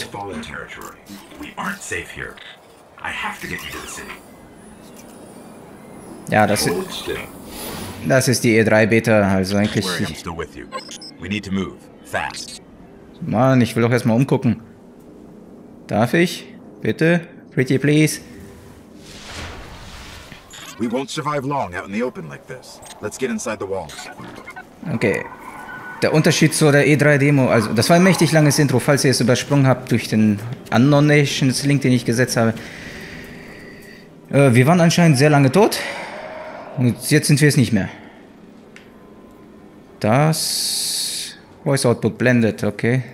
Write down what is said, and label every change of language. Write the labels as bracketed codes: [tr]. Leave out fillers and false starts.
[en] This is fallen territory. We aren't safe here. I have to get you to the city. [de] Ja, das ist die E3 Beta, also eigentlich. [en] We need to move fast. [de] Mann, ich will doch erstmal umgucken. Darf ich? Bitte? [en] Pretty please. We won't survive long out in the open like this. Let's get inside the walls. [de] Okay. Der Unterschied zu der E3 Demo, also das war ein mächtig langes Intro, falls ihr es übersprungen habt durch den Unknown Nations Link, den ich gesetzt habe. Wir waren anscheinend sehr lange tot. Und jetzt sind wir es nicht mehr. Das Voice Output blendet, okay.